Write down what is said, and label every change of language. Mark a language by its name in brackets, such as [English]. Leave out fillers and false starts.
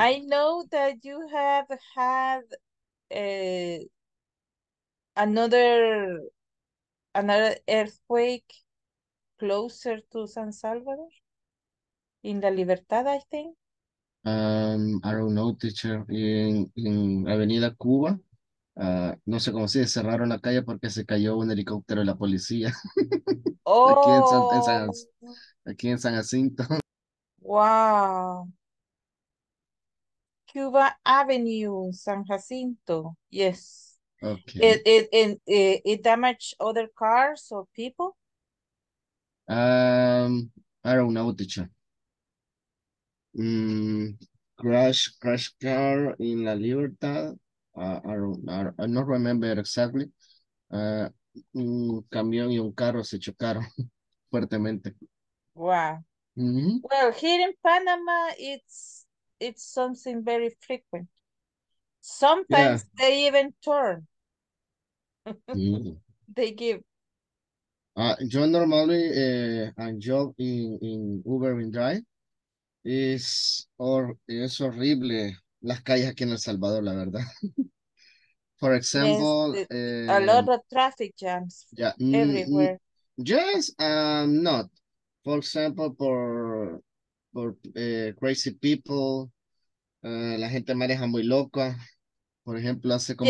[English] I know that you have had another earthquake closer to San Salvador in La Libertad, I think. I don't know, teacher. [Spanish] En Avenida Cuba, no sé cómo se cerraron la calle porque se cayó un helicóptero de la policía. Aquí en San, en San, Oh, aquí en San Jacinto. wow. [English] Cuba Avenue, San Jacinto. Yes. Okay. It damaged other cars or people? I don't know, teacher. Crash car in La Libertad. I no remember exactly. [Spanish] Un camión y un carro se chocaron fuertemente. Wow. [English] Well, here in Panama, it's something very frequent. Sometimes they even turn. They give. Yo normally I job in Uber and Drive. [Spanish] Es horrible las calles aquí en El Salvador, la verdad. [English] For Yes, example, a lot of traffic jams everywhere. yes, not. For example, [Spanish] por [English] crazy people, [Spanish] la gente maneja muy loca. Por ejemplo, hace como